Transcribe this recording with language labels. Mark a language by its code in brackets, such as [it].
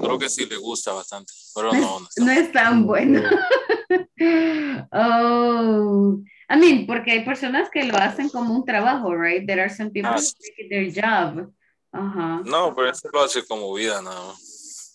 [es] Creo que sí le gusta bastante, pero no es tan bueno. [en] Oh, I mean, [es] porque hay personas que lo hacen como un trabajo, right? [en] There are some people who take their job. [es] No, pero eso lo hace como vida, nada más.